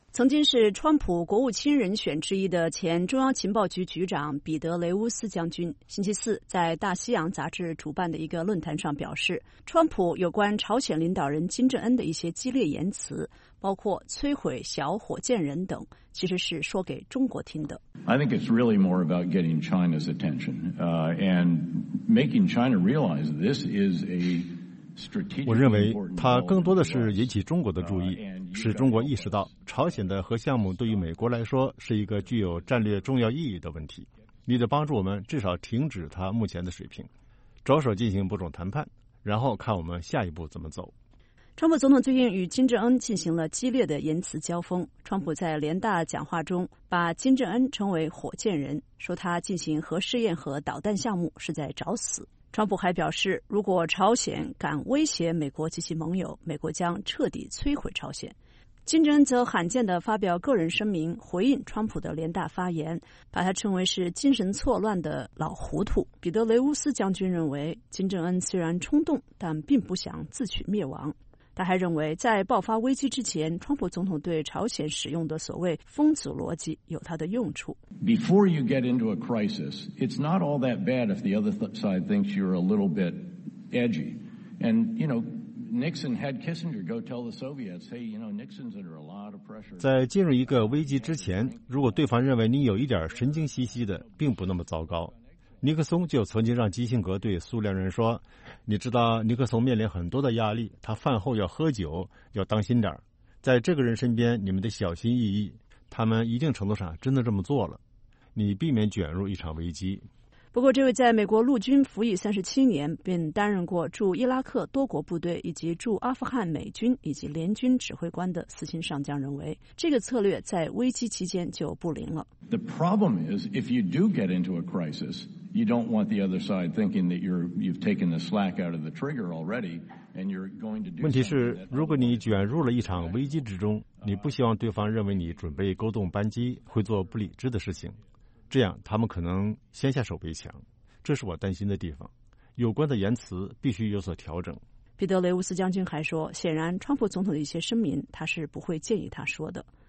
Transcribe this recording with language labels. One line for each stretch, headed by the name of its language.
Chinese: 曾经是川普国务卿人选之一的前中央情报局局长彼得雷乌斯将军星期四在大西洋杂志主办的一个论坛上表示，川普有关朝鲜领导人金正恩的一些激烈言辞，包括摧毁小火箭人等，其实是说给中国听的。
English: I think it's really more about getting China's attention, and making China realize this is a strategic.
Chinese: 我认为它更多的是引起中国的注意，使中国意识到朝鲜的核项目对于美国来说是一个具有战略重要意义的问题。你得帮助我们至少停止它目前的水平，着手进行某种谈判，然后看我们下一步怎么走。川普总统最近与金正恩进行了激烈的言辞交锋。川普在联大讲话中把金正恩称为火箭人，说他进行核试验和导弹项目是在找死。川普还表示，如果朝鲜敢威胁美国及其盟友，美国将彻底摧毁朝鲜。金正恩则罕见地发表个人声明回应川普的联大发言，把他称为是精神错乱的老糊涂。彼得雷乌斯将军认为，金正恩虽然冲动，但并不想自取灭亡。他还认为，在爆发危机之前，川普总统对朝鲜使用的所谓疯子逻辑有他的用处。
English: Before you get into a crisis, it's not all that bad if the other side thinks you're a little bit edgy. And, you know, Nixon had Kissinger go tell the Soviets, hey, you know, Nixon's under a lot of pressure.
Chinese: 在进入一个危机之前，如果对方认为你有一点神经兮兮的，并不那么糟糕。尼克松就曾经让基辛格对苏联人说，你知道尼克松面临很多的压力，他饭后要喝酒，要当心点，在这个人身边你们得小心翼翼，他们一定程度上真的这么做了，你避免卷入一场危机。不过这位在美国陆军服役37年，并担任过驻伊拉克多国部队以及驻阿富汗美军以及联军指挥官的四星上将，认为这个策略在危机期间就不灵了。
English: The problem is if you do get into a crisis, you don't want the other side thinking that you've taken the slack out of the trigger already and you're going to do.
Chinese: 问题是如果你卷入了一场危机之中，你不希望对方认为你准备勾动扳机，会做不理智的事情，这样他们可能先下手为强，这是我担心的地方。有关的言辞必须有所调整。彼得雷乌斯将军还说，显然川普总统的一些声明他是不会建议他说的。